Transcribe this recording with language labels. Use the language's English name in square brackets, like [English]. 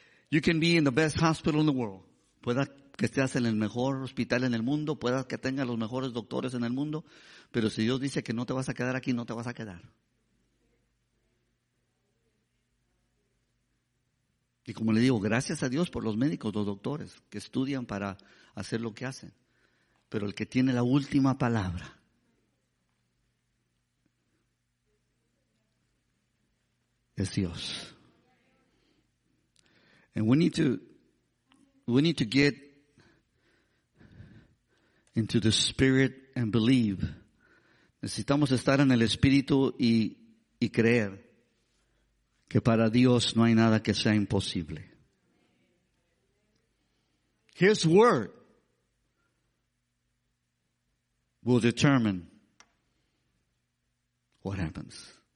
[English] You can be in the best hospital in the world. [Spanish] Pueda que estés en el mejor hospital en el mundo, pueda que tengas los mejores doctores en el mundo, pero si Dios dice que no te vas a quedar aquí, no te vas a quedar. Y como le digo, gracias a Dios por los médicos, los doctores, que estudian para hacer lo que hacen. Pero el que tiene la última palabra es Dios. [English] And we need to get into the spirit and believe. [Spanish] Necesitamos estar en el espíritu y creer que para Dios no hay nada que sea imposible. [English] His word will determine what happens.